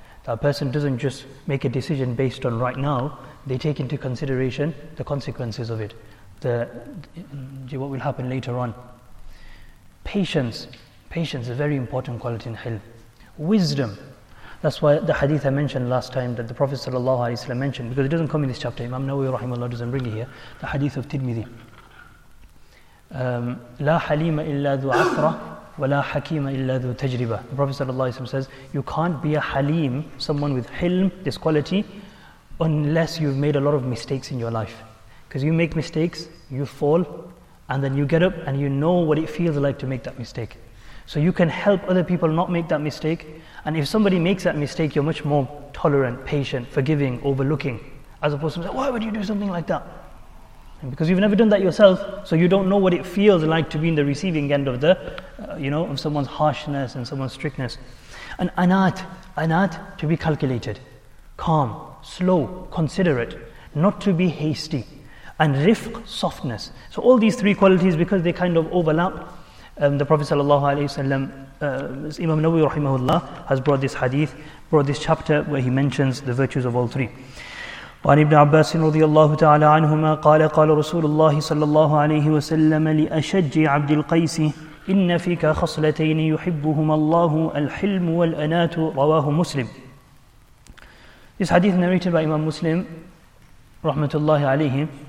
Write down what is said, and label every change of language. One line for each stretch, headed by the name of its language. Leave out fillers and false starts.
English: That person doesn't just make a decision based on right now, they take into consideration the consequences of it, the what will happen later on. Patience is a very important quality in hilm. Wisdom, that's why the hadith I mentioned last time that the Prophet ﷺ mentioned, because it doesn't come in this chapter, Imam Nawawi rahimahullah doesn't bring it here, the hadith of Tirmidhi.
Arabic: لا حليم إلا ذو عفرة ولا حكيم إلا ذو تجربة.
English: The Prophet ﷺ says, you can't be a halim, someone with hilm, this quality, unless you've made a lot of mistakes in your life. Because you make mistakes, you fall, and then you get up and you know what it feels like to make that mistake. So you can help other people not make that mistake. And if somebody makes that mistake, you're much more tolerant, patient, forgiving, overlooking. As opposed to saying, why would you do something like that? And because you've never done that yourself, so you don't know what it feels like to be in the receiving end of the, of someone's harshness and someone's strictness. And anat, to be calculated, calm. Slow, considerate, not to be hasty, and rifq, softness. So all these three qualities, because they kind of overlap, the Prophet sallallahu alaihi wasallam, Imam Nawawi rahimahullah, has brought this hadith, brought this chapter where he mentions the virtues of all three.
Arabic: وعن ابن عباس رضي الله تعالى عنهما قال قال رسول الله صلى الله عليه وسلم لأشج عبد القيس إن فيك خصلتين يحبهما الله الحلم والأناة رواه مسلم.
English: This hadith narrated by Imam Muslim, rahmatullahi alayhi.